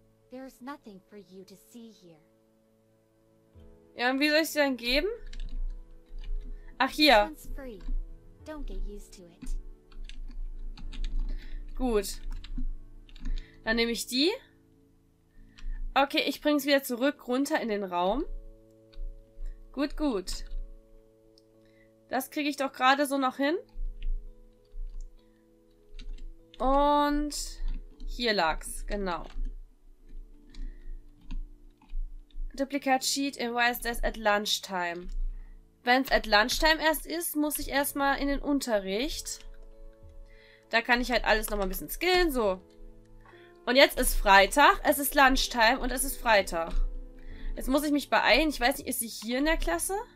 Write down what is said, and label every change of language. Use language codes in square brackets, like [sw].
[en] There's nothing for you to see here. [de] Ja, und wie soll ich sie dann geben? Ach, [en] This [de] hier. [en] one's free. Don't get used to it. [de] Gut. Dann nehme ich die. Okay, ich bring's wieder zurück runter in den Raum. Gut, gut. Das kriege ich doch gerade so noch hin. Und hier lag's, genau. [en] Duplicate Sheet in YSDS at lunchtime. [de] Wenn es [en] at lunchtime [de] erst ist, muss ich erstmal in den Unterricht. Da kann ich halt alles nochmal ein bisschen skillen, so. Und jetzt ist Freitag, es ist Lunchtime und es ist Freitag. Jetzt muss ich mich beeilen. Ich weiß nicht, ist sie hier in der Klasse?